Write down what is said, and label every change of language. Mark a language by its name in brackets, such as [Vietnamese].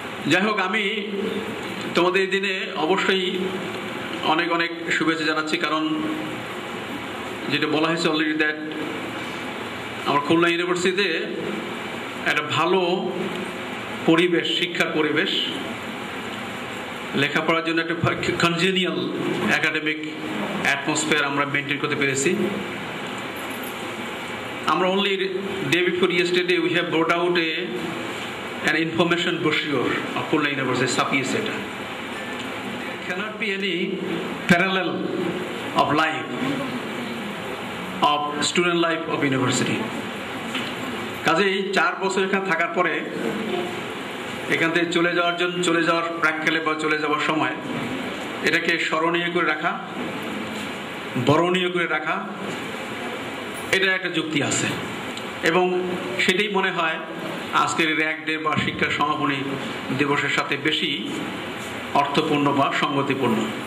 [Bangla] যাই হোক, আমি তোমাদের এই দিনে অবশ্যই অনেক অনেক শুভেচ্ছা জানাচ্ছি, কারণ যেটা বলা হয়েছে অলরেডি দ্যাট আমার খুলনা ইউনিভার্সিটিতে একটা ভালো পরিবেশ, শিক্ষার পরিবেশ, লেখাপড়ার জন্য একটা কনজেনিয়াল একাডেমিক অ্যাটমসফিয়ার আমরা মেনটেন করতে পেরেছি। আমরা only [English] Day before yesterday we have brought out an information brochure of Khulna University, Sapiya Seta. Cannot be any parallel of life, of student life of university. [Bangla] কাজেই চার বছর এখানে থাকার পরে এখান থেকে চলে যাওয়ার প্রাক্কালে বা চলে যাওয়ার সময় এটাকে স্মরণীয় করে রাখা, বরণীয় করে রাখা, এটা একটা যুক্তি আছে। এবং সেটাই মনে হয় আজকের র্যাগ ডে বা শিক্ষা সমাপনী দিবসের সাথে বেশি অর্থপূর্ণ বা সঙ্গতিপূর্ণ।